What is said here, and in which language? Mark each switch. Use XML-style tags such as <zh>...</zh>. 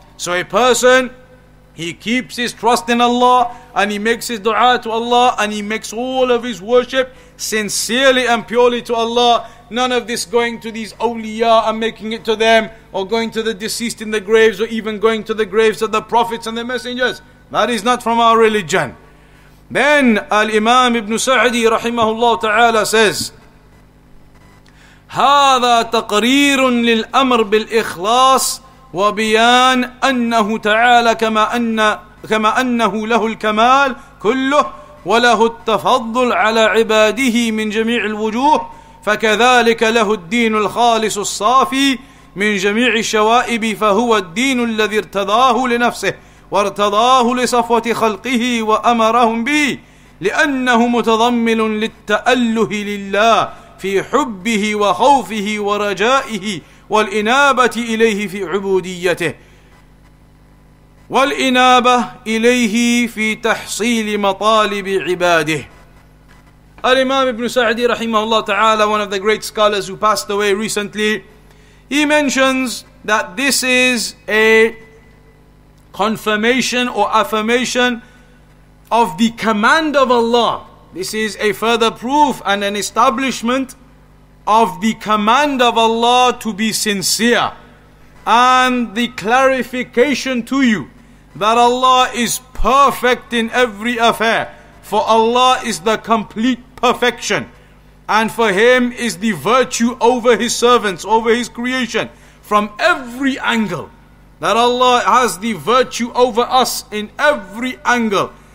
<en>So a person, he keeps his trust in Allah, and he makes his dua to Allah, and he makes all of his worship sincerely and purely to Allah. None of this going to these awliya and making it to them, or going to the deceased in the graves, or even going to the graves of the prophets and the messengers. That is not from our religion.</en> <ar>Then Al-Imam Ibn Sa'di rahimahullah ta'ala says, هذا تقرير للأمر بالإخلاص وبيان أنه تعالى كما أنه له الكمال كله وله التفضل على عباده من جميع الوجوه فكذلك له الدين الخالص الصافي من جميع الشوائب فهو الدين الذي ارتضاه لنفسه وارتضاه لصفوة خلقه وأمرهم به لأنه متضمن للتأله لله في حبه وخوفه ورجائه والإنابة إليه في عبوديته والإنابة إليه في تحصيل مطالب عباده. الإمام ابن سعدي رحمه الله تعالى,</ar> <en>one of the great scholars who passed away recently, he mentions that this is a confirmation or affirmation of the command of Allah. This is a further proof and an establishment of the command of Allah to be sincere, and the clarification to you that Allah is perfect in every affair, for Allah is the complete perfection, and for Him is the virtue over His servants, over His creation, from every angle, that Allah has the virtue over us in every angle.</en>